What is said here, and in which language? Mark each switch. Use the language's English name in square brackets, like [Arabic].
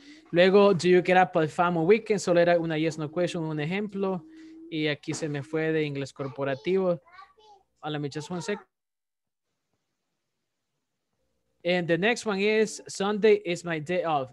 [English] Luego, do you get up at 5 on weekends? [Spanish] Solo era una [English] yes, no question, [Spanish] un ejemplo. Y aquí se me fue de inglés corporativo. [English] Hola, Michelle, just one sec. And the next one is, Sunday is my day off.